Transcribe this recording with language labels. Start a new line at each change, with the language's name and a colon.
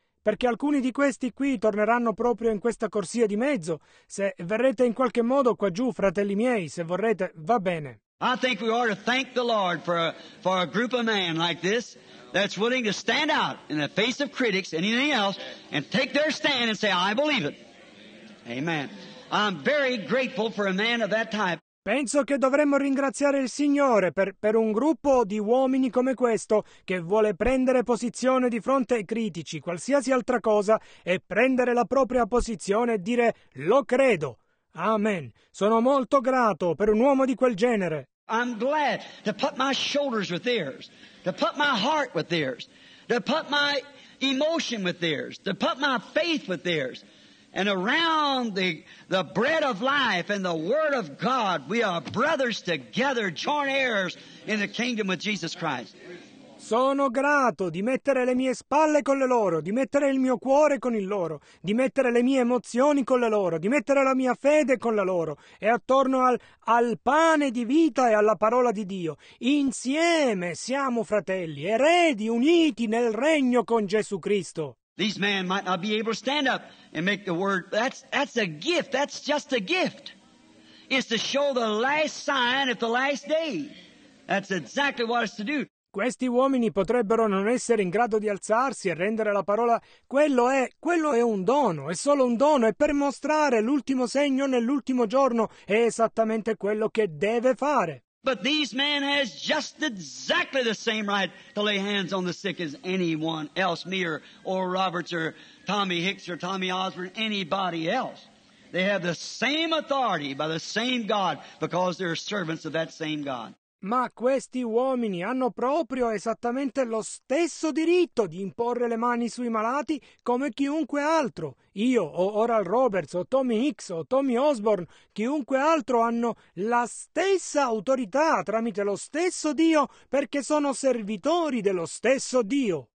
Italian: Perché alcuni di questi qui torneranno proprio in questa corsia di mezzo. Se verrete in qualche modo qua giù, fratelli miei, se vorrete, va bene.
English: I think we ought to thank the Lord for a group of men like this. That's willing to stand out in the face of critics and anything else and take their stand and say, I believe it. Amen. I'm very grateful for a man of that type.
Italian: Penso che dovremmo ringraziare il Signore per un gruppo di uomini come questo che vuole prendere posizione di fronte ai critici, qualsiasi altra cosa, e prendere la propria posizione e dire, lo credo. Amen. Sono molto grato per un uomo di quel genere.
English: I'm glad to put my shoulders with theirs, to put my heart with theirs, to put my emotion with theirs, to put my faith with theirs. And around the bread of life and the word of God, we are brothers together, joint heirs in the kingdom of Jesus Christ.
Italian: Sono grato di mettere le mie spalle con le loro, di mettere il mio cuore con il loro, di mettere le mie emozioni con le loro, di mettere la mia fede con la loro, e attorno al pane di vita e alla parola di Dio. Insieme siamo fratelli, eredi uniti nel regno con Gesù Cristo.
English: These men might not be able to stand up and make the word. That's a gift, that's just a gift. It's to show the last sign at the last day. That's exactly what it's to do.
Italian: Questi uomini potrebbero non essere in grado di alzarsi e rendere la parola. Quello è un dono, è solo un dono, è per mostrare l'ultimo segno nell'ultimo giorno, è esattamente quello che deve fare.
English: But these men has just exactly the same right to lay hands on the sick as anyone else, me or Roberts or Tommy Hicks or Tommy Osborne, anybody else. They have the same authority by the same God because they're servants of that same God.
Italian: Ma questi uomini hanno proprio esattamente lo stesso diritto di imporre le mani sui malati come chiunque altro. Io, o Oral Roberts, o Tommy Hicks, o Tommy Osborne, chiunque altro hanno la stessa autorità tramite lo stesso Dio perché sono servitori dello stesso Dio.